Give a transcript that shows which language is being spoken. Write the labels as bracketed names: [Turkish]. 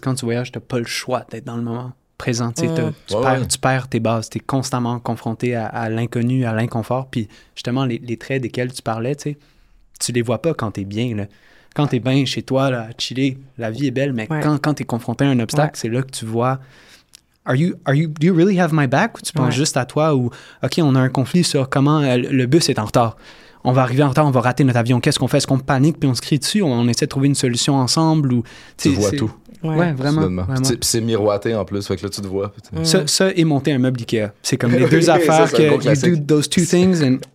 [French] Quand tu voyages, t'as pas le choix d'être dans le moment présent. Tu perds tes bases. T'es constamment confronté à l'inconnu, à l'inconfort. Puis justement, les traits desquels tu parlais, tu les vois pas quand t'es bien. Là. Quand t'es bien chez toi, là, à chiller, la vie est belle, mais quand t'es confronté à un obstacle, c'est là que tu vois. [English] Do you really have my back? [French] Ou tu penses juste à toi? Ou OK, on a un conflit sur comment le bus est en retard. On va arriver en retard, on va rater notre avion. Qu'est-ce qu'on fait? Est-ce qu'on panique puis on se crie dessus? On essaie de trouver une solution ensemble? Ou, tu vois tout. Ouais, vraiment. Puis c'est miroité en plus, fait que là, tu te vois. Ça et monter un meuble IKEA. C'est comme les deux affaires que [English] you do those two things. And...